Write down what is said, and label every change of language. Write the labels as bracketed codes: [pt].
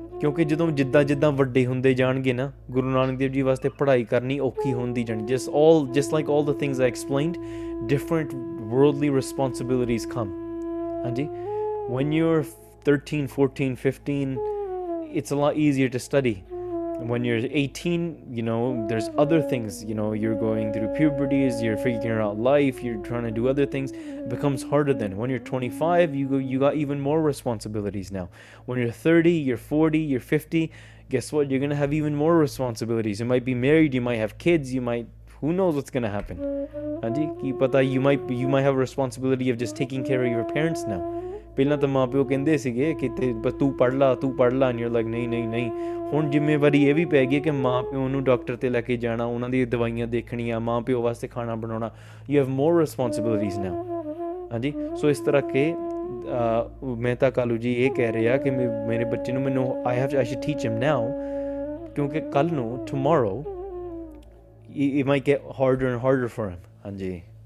[pa] ਕਿਉਂਕਿ ਜਦੋਂ ਜਿੱਦਾਂ ਜਿੱਦਾਂ ਵੱਡੇ ਹੁੰਦੇ ਜਾਣਗੇ ਨਾ ਗੁਰੂ ਨਾਨਕ ਦੇਵ ਜੀ ਵਾਸਤੇ ਪੜ੍ਹਾਈ ਕਰਨੀ ਔਖੀ ਹੁੰਦੀ ਜਾਣੀ [en] Just all just like all the things I explained different worldly responsibilities come ਹਾਂਜੀ when you are 13 14 15 it's a lot easier to study When you're 18, you know, there's other things, you know, you're going through puberties, you're figuring out life, you're trying to do other things, it becomes harder then. When you're 25, you got even more responsibilities now. When you're 30, you're 40, you're 50, guess what? You're going to have even more responsibilities. You might be married, you might have kids, you might, who knows what's going to happen. You might have a responsibility of just taking care of your parents now. [pa] ਪਹਿਲਾਂ ਤਾਂ ਮਾਂ ਪਿਓ ਕਹਿੰਦੇ ਸੀਗੇ ਕਿ ਤੂੰ ਪੜ੍ਹ ਲਾ ਨਹੀਂ ਲੱਗ ਨਹੀਂ ਨਹੀਂ ਨਹੀਂ ਹੁਣ ਜ਼ਿੰਮੇਵਾਰੀ ਇਹ ਵੀ ਪੈ ਗਈ ਕਿ ਮਾਂ ਪਿਓ ਨੂੰ ਡਾਕਟਰ 'ਤੇ ਲੈ ਕੇ ਜਾਣਾ ਉਹਨਾਂ ਦੀ ਦਵਾਈਆਂ ਦੇਖਣੀਆਂ ਮਾਂ ਪਿਓ ਵਾਸਤੇ ਖਾਣਾ ਬਣਾਉਣਾ [en] you have more responsibilities now [pa] ਹਾਂਜੀ ਸੋ ਇਸ ਤਰ੍ਹਾਂ ਕਿ ਮਹਿਤਾ ਕਾਲੂ ਜੀ ਇਹ ਕਹਿ ਰਹੇ ਆ ਕਿ ਮੇਰੇ ਬੱਚੇ ਨੂੰ ਮੈਨੂੰ [en] I have to I should teach him now [pa] ਕਿਉਂਕਿ ਕੱਲ੍ਹ ਨੂੰ [en] tomorrow it might get harder and harder for him [pa] ਹਾਂਜੀ